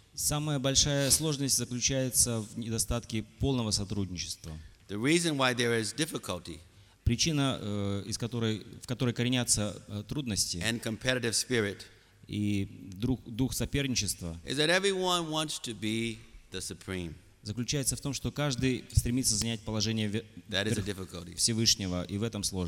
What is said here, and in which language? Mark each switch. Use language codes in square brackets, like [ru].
[ru] Самая большая сложность заключается в недостатке полного сотрудничества. [en] The reason why there is difficulty. [ru] Причина, в которой коренятся трудности. [en] And competitive spirit. [ru] И дух соперничества. [en] Is that everyone wants to be the supreme. [ru] Заключается в том, что каждый стремится занять положение Всевышнего, и в этом